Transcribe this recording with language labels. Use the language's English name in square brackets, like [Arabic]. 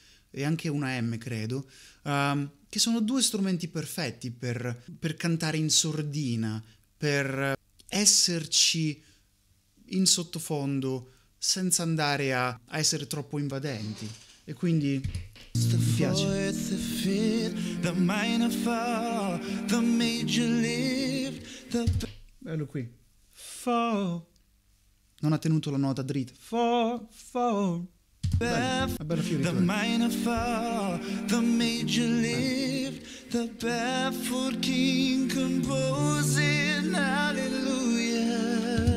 [Italian] E anche una M, credo, che sono due strumenti perfetti per cantare in sordina, per esserci in sottofondo senza andare a essere troppo invadenti. E quindi mi piace. [English] The fifth, the minor fall, the major leave, the... [Italian] Bello qui. Fa. Non ha tenuto la nota dritta. Fa, fa. [English] The minor fall, the major leave, the baffled king composing alleluia.